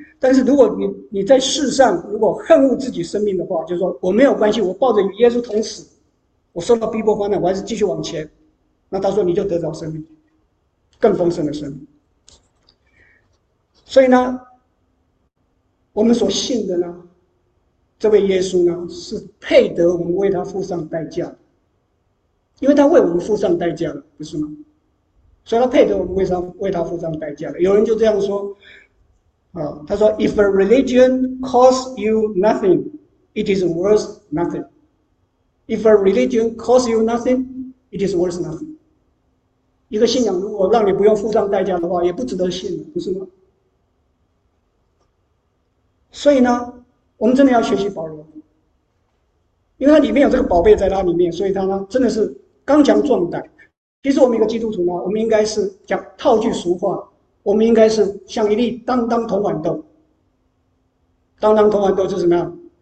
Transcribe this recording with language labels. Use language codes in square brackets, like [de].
[zh] 但是如果你在世上如果恨恶自己生命的话，就是说我没有关系，我抱着与耶稣同死，我受到逼迫患难，我还是继续往前，那他说你就得着生命，更丰盛的生命。所以呢？我们所信的呢，这位耶稣呢，是配得我们为他付上代价，因为他为我们付上代价了，不是吗？所以他配得我们为他付上代价了。有人就这样说，啊，他说， [en] If a religion costs you nothing, it is worth nothing. If a religion costs you nothing, it is worth nothing. [zh] 一个信仰如果让你不用付上代价的话，也不值得信，不是吗？所以呢，我们真的要学习保罗，因为他里面有这个宝贝在他里面，所以他呢真的是刚强壮胆。其实我们一个基督徒呢，我们应该是讲套句俗话，我们应该是像一粒当当铜豌豆，当当铜豌豆是什么样？